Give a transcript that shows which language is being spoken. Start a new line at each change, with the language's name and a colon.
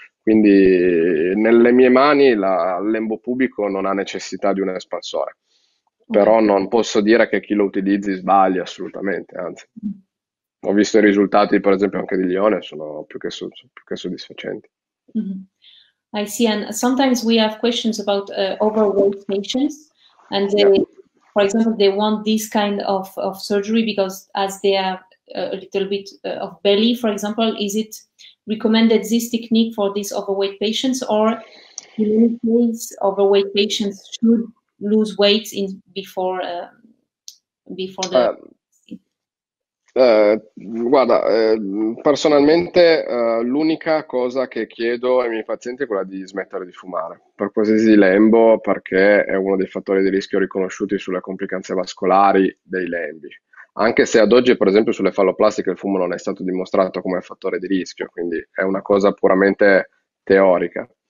Italian: Quindi nelle mie mani il lembo pubico non ha necessità di un espansore, però non posso dire che chi lo utilizzi sbagli assolutamente, anzi, ho visto i risultati per esempio anche di Lione, sono più che soddisfacenti.
English: I see, and sometimes we have questions about overweight patients, and they, Yeah. for example, they want this kind of surgery because as they have a little bit of belly, for example, is it recommended this technique for these overweight patients, or in any case, overweight patients should lose weight in before the
Italian: Guarda, personalmente l'unica cosa che chiedo ai miei pazienti è quella di smettere di fumare, per qualsiasi lembo, perché è uno dei fattori di rischio riconosciuti sulle complicanze vascolari dei lembi. Anche se ad oggi, per esempio, sulle falloplastiche il fumo non è stato dimostrato come fattore di rischio, quindi è una cosa puramente teorica.